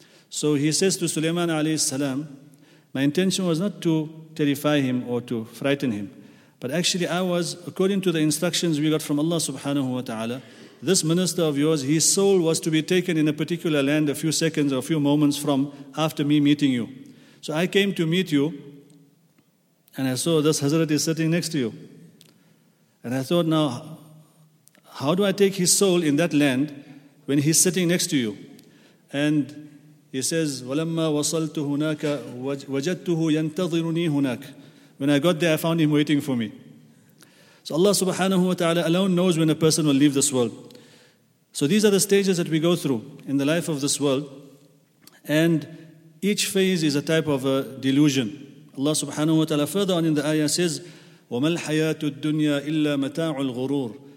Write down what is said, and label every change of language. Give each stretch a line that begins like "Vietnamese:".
English: So he says to Sulaiman alayhi salam, "My intention was not to terrify him or to frighten him, but actually I was, according to the instructions we got from Allah subhanahu wa ta'ala, this minister of yours, his soul was to be taken in a particular land a few seconds or a few moments from after me meeting you. So I came to meet you and I saw this Hazrat is sitting next to you. And I thought, now, how do I take his soul in that land when he's sitting next to you?" And he says,
Arabic: "وَلَمَّا وَصَلْتُ هُنَاكَ وَجَدْتُهُ يَنْتَظِرُنِي هُنَاكَ."
English: When I got there, I found him waiting for me. So Allah subhanahu wa ta'ala alone knows when a person will leave this world. So these are the stages that we go through in the life of this world. And each phase is a type of a delusion. Allah subhanahu wa ta'ala further on in the ayah says,
Arabic: وَمَا الْحَيَاةُ الدُّنْيَا إِلَّا مَتَاعُ الْغُرُورِ.